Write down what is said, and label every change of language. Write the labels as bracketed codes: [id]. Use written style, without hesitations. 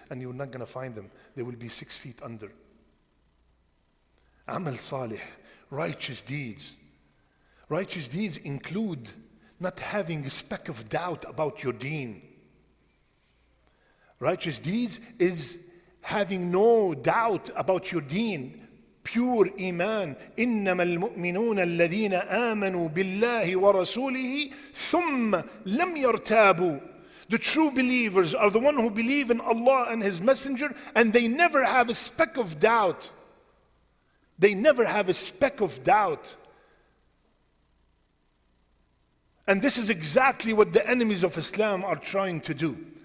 [en] And you're not going to find them. They will be 6 feet under. Amal salih, righteous deeds. Righteous deeds include not having a speck of doubt about your deen. Righteous deeds is having no doubt about your deen. Pure iman. [ar] إنما المؤمنون الذين آمنوا بالله ورسوله ثم لم يرتابوا. [en] The true believers are the one who believe in Allah and His Messenger and they never have a speck of doubt. They never have a speck of doubt. And this is exactly what the enemies of Islam are trying to do.